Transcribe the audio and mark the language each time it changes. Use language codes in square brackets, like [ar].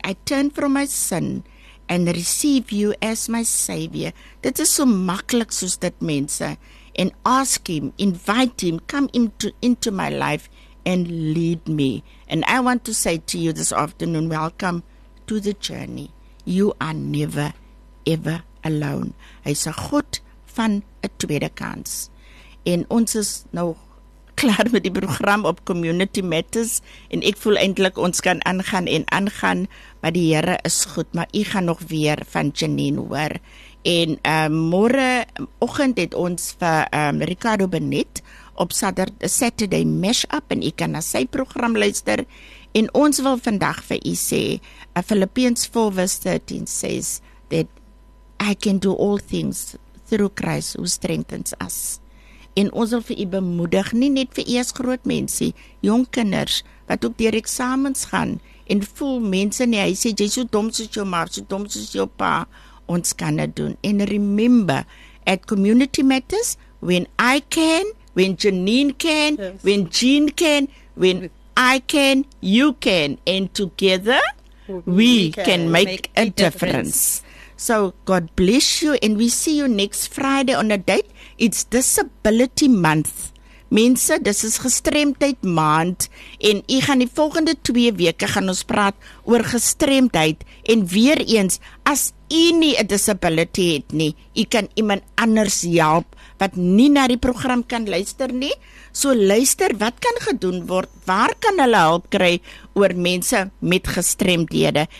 [en] I turn from my sin and receive you as my Savior. [af] Dit is so makkelijk soos dit mense. [en] And ask him, invite him, come into my life and lead me. And I want to say to you this afternoon, welcome to the journey. You are never, ever alone. [af] Hy is 'n God van 'n tweede kans. En ons is nou klaar met die program op Community Matters. En ek voel eindelijk ons kan aangaan en aangaan. Maar die Here is goed, maar ek gaan nog weer van Janine hoor. En morgen oggend het ons vir Ricardo Benet op Saturday Mashup en ek kan na sy program luister. En ons wil vandag vir u sê, [en] Philippians 4 verse 13 says that I can do all things through Christ who strengthens us. [af] En ons wil vir u bemoedig, nie net vir u as groot mense, jong kinders, wat ook deur eksamens gaan en voel mense nie, hy sê, jy is so dom soos jou ma, so dom soos jou pa, ons kan dit doen. [en] En remember, at Community Matters, when I can, when Janine can, yes. When Jean can, when I can, you can. And together, we can make a difference. So, God bless you. And we see you next Friday on a date. It's Disability Month. [af] Mense, dis is gestremdheid maand en jy gaan die volgende 2 weke gaan ons praat oor gestremdheid en weer eens, as jy nie [en] a disability [af] het nie, jy kan iemand anders help wat nie na die program kan luister nie, so luister wat kan gedoen word, waar kan hulle help kry oor mense met gestremdhede.